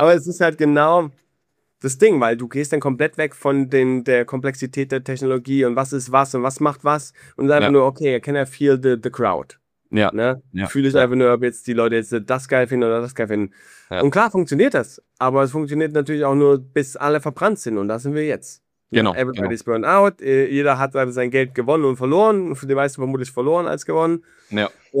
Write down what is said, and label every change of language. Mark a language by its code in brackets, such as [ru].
[de] Aber es ist halt genau das Ding, weil du gehst dann komplett weg von der Komplexität der Technologie und was ist was und was macht was und sagst ja. [en] Nur, okay, can I feel the crowd? [de] Ja. Ne? Ja. Fühle ich ja. Einfach nur, ob jetzt die Leute jetzt das geil finden oder das geil finden. Ja. Und klar funktioniert das, aber es funktioniert natürlich auch nur, bis alle verbrannt sind und da sind wir jetzt. Genau. Ja, [en] everybody's [de] genau. Burned out, jeder hat sein Geld gewonnen und verloren, für die meisten vermutlich verloren als gewonnen. Ja.